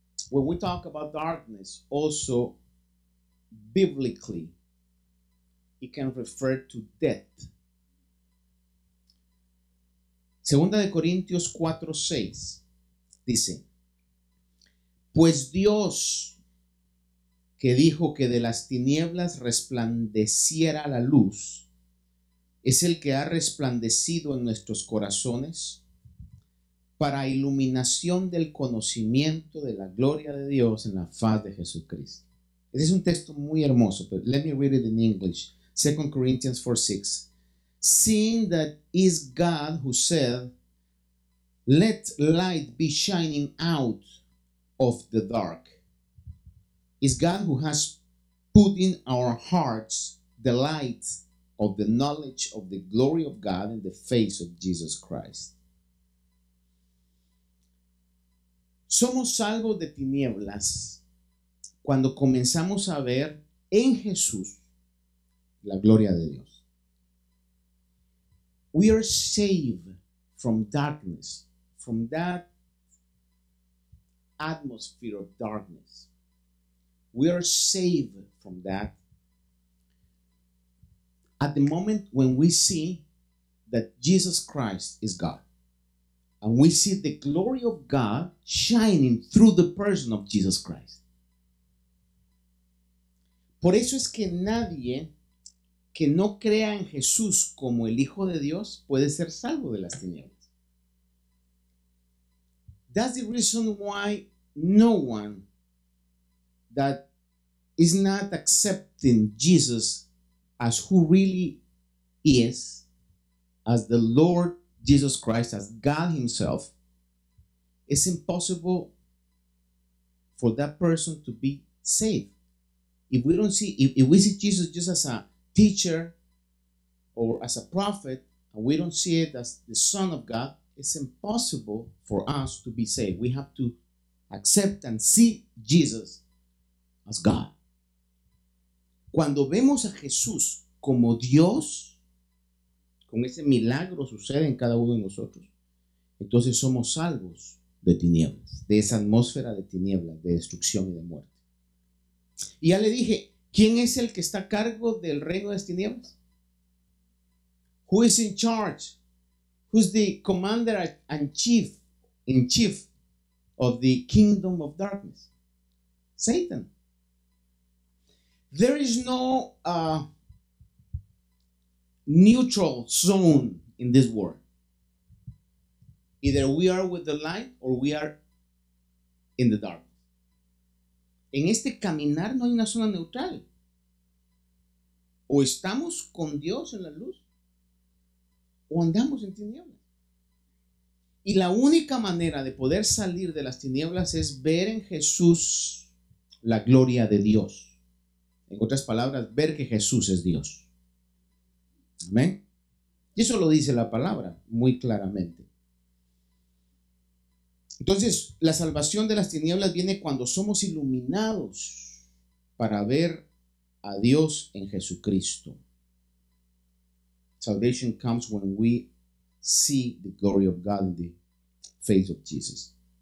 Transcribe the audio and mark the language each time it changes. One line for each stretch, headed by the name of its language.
English: When we talk about darkness, also biblically, it can refer to death.
Spanish: Segunda de Corintios 4:6 dice, pues Dios, que dijo que de las tinieblas resplandeciera la luz, es el que ha resplandecido en nuestros corazones para iluminación del conocimiento de la gloria de Dios en la faz de Jesucristo. Este es un texto muy hermoso,
English: but let me read it in English. 2 Corinthians 4:6. Seeing that is God who said, let light be shining out of the dark. It's God who has put in our hearts the light of the knowledge of the glory of God in the face of Jesus Christ.
Spanish: Somos salvos de tinieblas cuando comenzamos a ver en Jesús la gloria de Dios.
English: We are saved from darkness, from that atmosphere of darkness. We are saved from that at the moment when we see that Jesus Christ is God. And we see the glory of God shining through the person of Jesus Christ.
Spanish: Por eso es que nadie que no crea en Jesús como el Hijo de Dios puede ser salvo de las tinieblas.
English: That's the reason why no one that is not accepting Jesus as who really is, as the Lord Jesus Christ, as God Himself, it's impossible for that person to be saved. If we see Jesus just as a teacher or as a prophet, and we don't see it as the Son of God, it's impossible for us to be saved. We have to accept and see Jesus as God.
Spanish: Cuando vemos a Jesús como Dios, con ese milagro sucede en cada uno de nosotros, entonces somos salvos de tinieblas, de esa atmósfera de tinieblas, de destrucción y de muerte. Y ya le dije, ¿quién es el que está a cargo del reino de las tinieblas? Who is in charge? Who's the commander and chief in chief of the kingdom of darkness? Satan. There is no neutral zone in this world. Either we are with the light or we are in the dark. En este caminar no hay una zona neutral. O estamos con Dios en la luz, o andamos en tinieblas. Y la única manera de poder salir de las tinieblas es ver en Jesús la gloria de Dios. En otras palabras, ver que Jesús es Dios. ¿Amén? Y eso lo dice la palabra muy claramente. Entonces, la salvación de las tinieblas viene cuando somos iluminados para ver a Dios en Jesucristo.
English: Salvation comes when we see the glory of God in the face of Jesus.